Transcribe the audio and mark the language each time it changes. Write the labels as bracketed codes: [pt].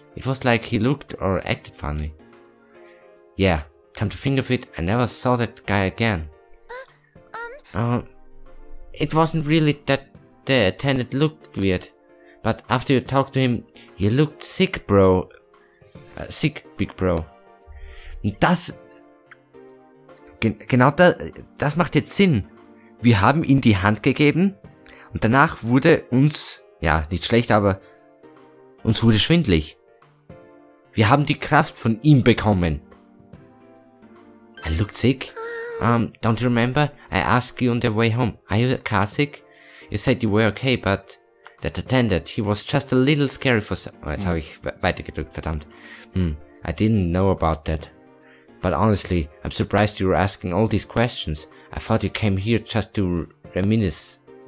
[en] It was like he looked or acted funny. Yeah. Come to think of it, I never saw that guy again. It wasn't really that the attendant looked weird. But after you talked to him, he looked sick, bro. Sick, big bro. Das... [de] Genau da, das macht jetzt Sinn. Wir haben ihm die Hand gegeben. Und danach wurde uns... Ja, nicht schlecht, aber... Uns wurde schwindelig. Wir haben die Kraft von ihm bekommen. [en] I looked sick. Don't you remember? I asked you on the way home. Are you car sick? You said you were okay, but that attendant, he was just a little scary for some... [de] Jetzt habe ich weitergedrückt, verdammt. [en] I didn't know about that. But honestly, I'm surprised you're asking all these questions. I thought you came here just to reminisce.